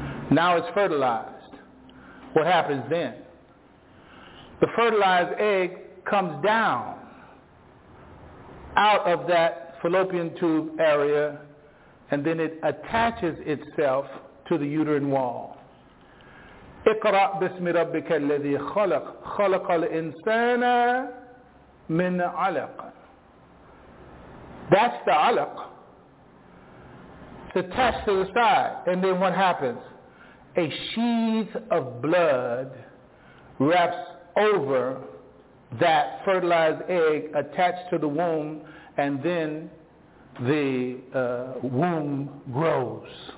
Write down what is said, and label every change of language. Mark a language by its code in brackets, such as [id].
[en] Now it's fertilized. What happens then? The fertilized egg comes down out of that fallopian tube area and then it attaches itself to the uterine wall. [ar] اقرأ بسم ربك الذي خلق خلق الإنسان من علق. [en] That's the علق. It's attached to the side. And then what happens? A sheath of blood wraps over that fertilized egg attached to the womb and then the womb grows.